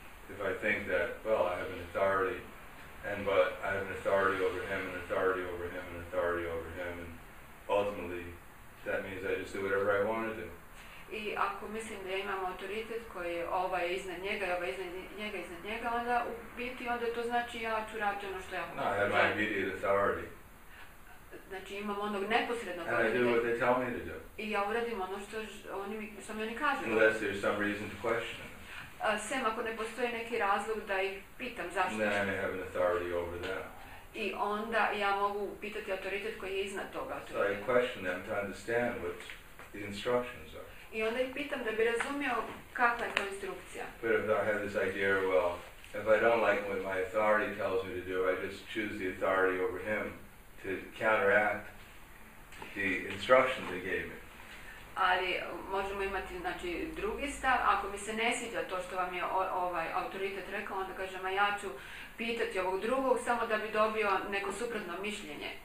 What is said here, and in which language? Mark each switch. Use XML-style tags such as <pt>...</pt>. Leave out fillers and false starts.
<en>If I think that, well, I have an authority, and but I have an authority over him, an authority over him, an authority over him, and ultimately, that means I just do whatever I want to do.</en> <hr>I ako mislim da imam autoritet koji ovaj iznad njega, ovaj iznad njega, onda u biti onda to znači ja ću raditi ono što ja hoću.</hr> <en>No, I have my immediate authority.</en> <hr>Znači imam onog neposrednog autoriteta. I ja uradim ono što oni mi, što mi oni kažu.</hr> <en>Unless there's some reason to question.</en> <hr>Sem ako ne postoji neki razlog da ih pitam zašto.</hr> <en>Then I may have an authority over them.</en> <hr>I onda ja mogu pitati autoritet koji je iznad toga.</hr> <en>So I question them to understand what the instructions are.</en> <hr>I onda ih pitam da bi razumio kakva je to instrukcija.</hr> <en>But if I have this idea, well, if I don't like what my authority tells me to do, I just choose the authority over him to counteract the instructions they gave me.</en> <hr>ali možemo imati znači drugi stav. Ako mi se ne sviđa to što vam je ovaj autoritet rekao, onda kažem, a ja ću pitati ovog drugog samo da bi dobio neko suprotno mišljenje.</hr>